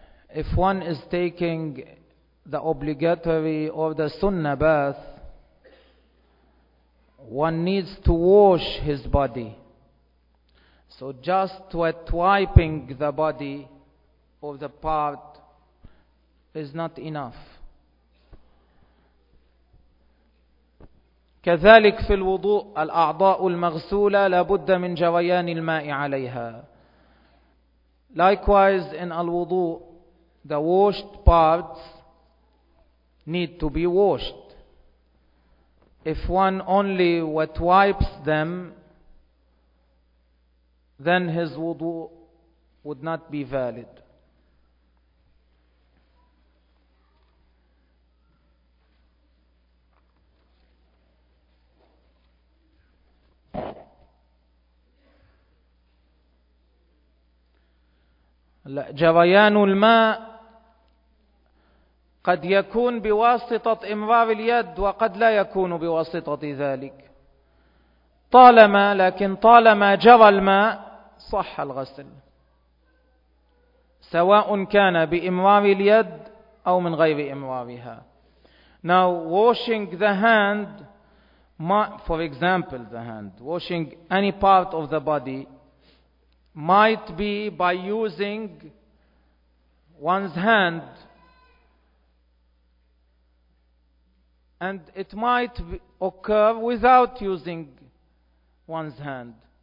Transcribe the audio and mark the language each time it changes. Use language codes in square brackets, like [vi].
[en] If one is taking the obligatory or the sunnah bath, one needs to wash his body. So just wet wiping the body or the part is not enough. [ar] كذلك في الوضوء الأعضاء المغسولة لابد من جريان الماء عليها. [en] Likewise in الوضوء, the washed parts need to be washed. If one only wet wipes them, then his wudu would not be valid. [ar] جريان الماء قد يكون بواسطة إمرار اليد وقد لا يكون بواسطة ذلك. طالما جرى الماء صح الغسل، سواء كان بإمرار اليد أو من غير إمرارها. [en] Now washing the hand, for example the hand, washing any part of the body might be by using one's hand, and it might occur without using one's hand.